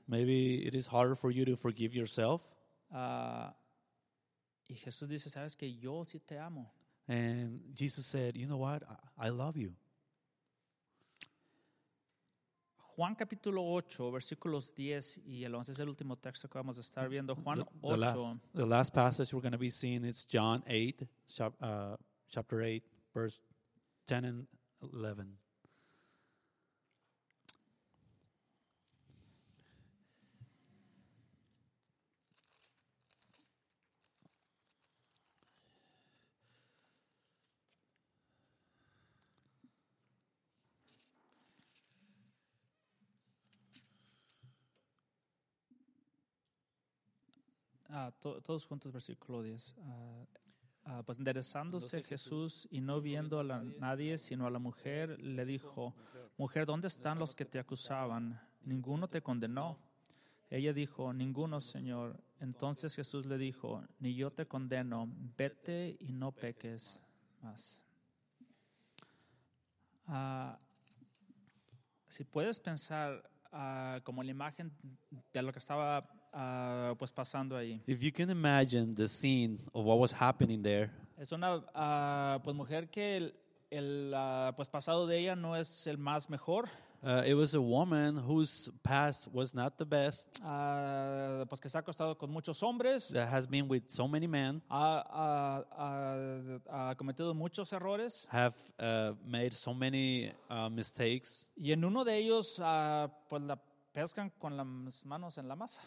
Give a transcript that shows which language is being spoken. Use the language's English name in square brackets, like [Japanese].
[English] Maybe it is harder for you to forgive yourself. [Spanish] Y Jesús dice, sabes que yo sí te amo. [English] And Jesus said, you know what? I love you. [Spanish] Juan capítulo 8, versículos 10 y el 11 es el último texto que vamos a estar viendo. Juan 8. [English] The last passage we're going to be seeing is John 8, chapter 8, verse 10 and 11. [Spanish] Todos juntos, versículo 10. Pues enderezándose Jesús y no viendo a nadie sino a la mujer, le dijo, mujer, ¿dónde están los que te acusaban? Ninguno te condenó. Ella dijo, ninguno, Señor. Entonces Jesús le dijo, ni yo te condeno, vete y no peques más. Si puedes pensar como la imagen de lo que estaba pues pasando ahí. [English] If you can imagine the scene of what was happening there. [Spanish] Es una pues mujer que el pues pasado de ella no es el más mejor. [English] It was a woman whose past was not the best. [Spanish] Pues que se ha acostado con muchos hombres. [English] That has been with so many men. [Spanish] Ha cometido muchos errores. [English] Have made so many mistakes. [Spanish] Y en uno de ellos pues la pescan con las manos en la masa.